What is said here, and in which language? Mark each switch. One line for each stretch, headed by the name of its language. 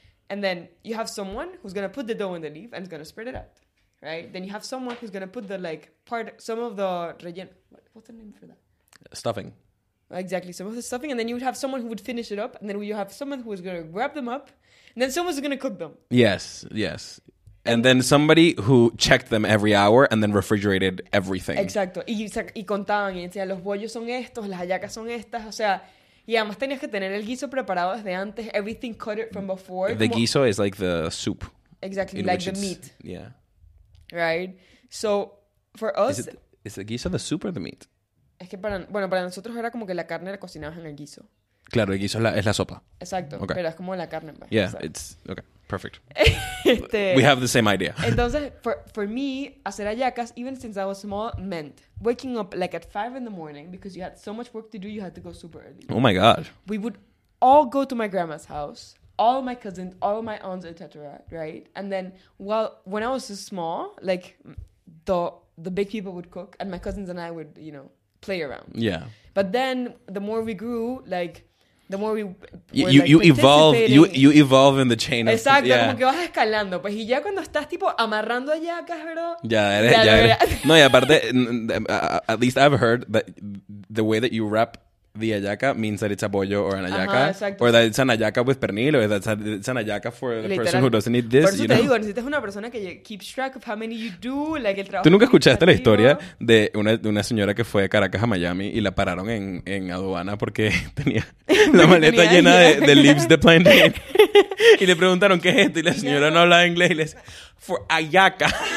English: And then you have someone who's going to put the dough in the leaf and is going to spread it out. Right? Then you have someone who's going to put the, like, part, some of the relleno. what's the name for that? Stuffing. Exactly. So with the stuffing, and then you would have someone who would finish it up, and then you have someone who was going to grab them up, and then someone's going to cook them. Yes, yes. And then somebody who checked them every hour and then refrigerated everything.
Spanish: Exacto. Y contaban y decían, los bollos son estos, las hallacas son estas. O sea, y además tenías que tener el guiso preparado desde antes.
English: Everything cut it from before. The guiso is like the soup. Exactly, like the meat. Yeah. Right? So, for us... Is the guiso the soup or the meat?
Spanish: Es que para... Bueno, para nosotros era como que la carne la cocinabas en el guiso. Claro, el guiso es la sopa. Exacto. Okay. Pero es como la carne.
English: Yeah, it's... Okay. Perfect. We have the same idea. Entonces, for me,
Spanish: hacer hallacas,
English: even since I was small, meant waking up like at 5 a.m. because you had so much work to do, you had to go super early. Oh my God. We would all go to my grandma's house, all my cousins, all my aunts, etc., right? And then, well, when I was so small, like, the big people would cook and my cousins and I would, you know, play around. Yeah. But then, the more we grew, like... The more we you evolve in the chain.
Spanish: Exacto,
English: of...
Spanish: Exacto, yeah. Como que vas escalando. Pues y ya cuando estás tipo amarrando hallacas, bro... Ya eres. No, y aparte,
English: at least I've heard that the way that you wrap the hallaca means that it's a bollo or an hallaca.
Spanish: Exacto.
English: Or that it's an hallaca with pernil, or that it's an hallaca for the literal person who doesn't need this.
Spanish: Por eso
English: you
Spanish: te
English: know?
Spanish: Digo, necesitas una persona que
English: keeps track of how many you do, like
Spanish: el trabajo... ¿Tú nunca escuchaste la historia de una señora que fue de Caracas a Miami y la pararon en aduana porque tenía... La maleta tenía llena de leaves de plantain. Y le preguntaron, ¿qué es esto? Y la señora no hablaba inglés. Y le decía, for ayaka.